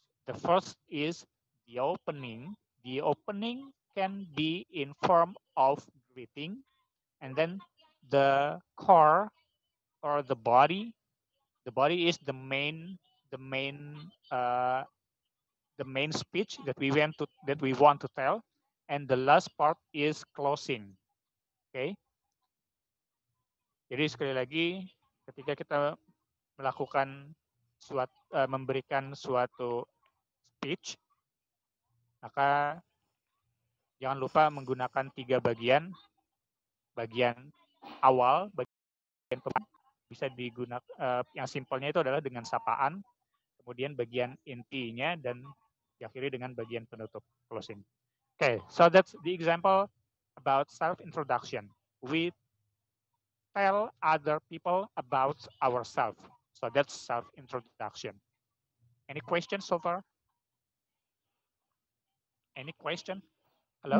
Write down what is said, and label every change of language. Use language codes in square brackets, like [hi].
[en] The first is the opening. The opening can be in form of greeting, and then the core or the body. The body is the main speech that we want to tell. And the last part is closing. Okay. [id] Jadi sekali lagi, ketika kita melakukan memberikan suatu speech, maka jangan lupa menggunakan tiga bagian. Bagian awal, bagian pembukaan bisa yang simpelnya itu adalah dengan sapaan, kemudian bagian intinya, dan diakhiri dengan bagian penutup, closing. [en] Okay, so that's the example about self-introduction. We tell other people about ourselves. So that's self-introduction. Any questions so far? Any question? Hello?